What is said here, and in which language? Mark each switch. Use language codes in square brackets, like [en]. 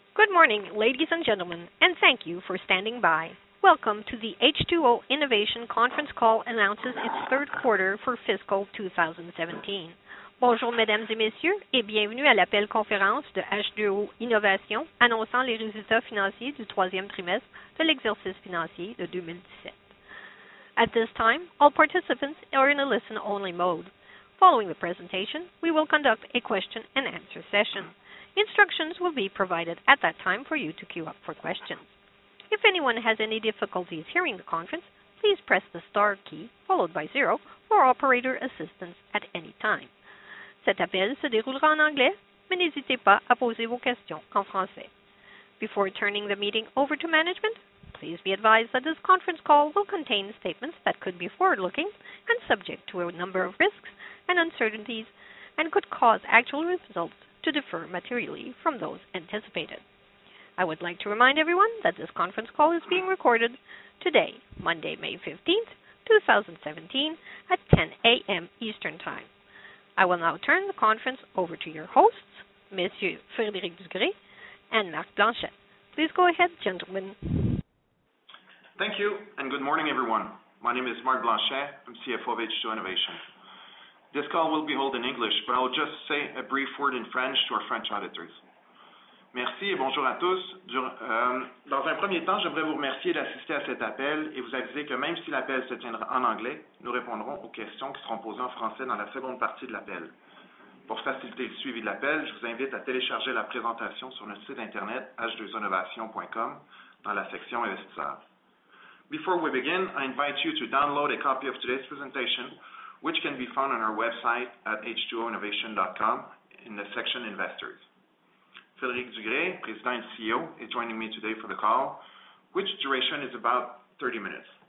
[en] Good morning, ladies and gentlemen, and thank you for standing by. Welcome to the H2O Innovation conference call announces its third quarter for fiscal 2017. [fr] Bonjour, mesdames et messieurs, et bienvenue à l'appel conférence de H2O Innovation annonçant les résultats financiers du troisième trimestre de l'exercice financier de 2017. [en] At this time, all participants are in a listen-only mode. Following the presentation, we will conduct a question-and-answer session. Instructions will be provided at that time for you to queue up for questions. If anyone has any difficulties hearing the conference, please press the star key followed by zero for operator assistance at any time. [fr] Cet appel se déroulera en anglais, mais n'hésitez pas à poser vos questions en français. [en] Before turning the meeting over to management, please be advised that this conference call will contain statements that could be forward-looking and subject to a number of risks and uncertainties and could cause actual results to differ materially from those anticipated. I would like to remind everyone that this conference call is being recorded today, Monday, May 15th, 2017, at 10:00 A.M. Eastern Time. I will now turn the conference over to your hosts, Messieurs Frédéric Dugré and Marc Blanchet. Please go ahead, gentlemen. Thank you, and good morning, everyone. My name is Marc Blanchet. I'm CFO of H2O Innovation. This call will be held in English, but I'll just say a brief word in French to our French auditors. [fr] Merci et bonjour à tous. Dans un premier temps, j'aimerais vous remercier d'assister à cet appel et vous aviser que même si l'appel se tiendra en anglais, nous répondrons aux questions qui seront posées en français dans la seconde partie de l'appel. Pour faciliter le suivi de l'appel, je vous invite à télécharger la présentation sur notre site internet h2oinnovation.com dans la section Investisseurs. [en] Before we begin, I invite you to download a copy of today's presentation, which can be found on our website at h2oinnovation.com in the section Investors. Frédéric Dugré, President and CEO, is joining me today for the call, which duration is about 30 minutes.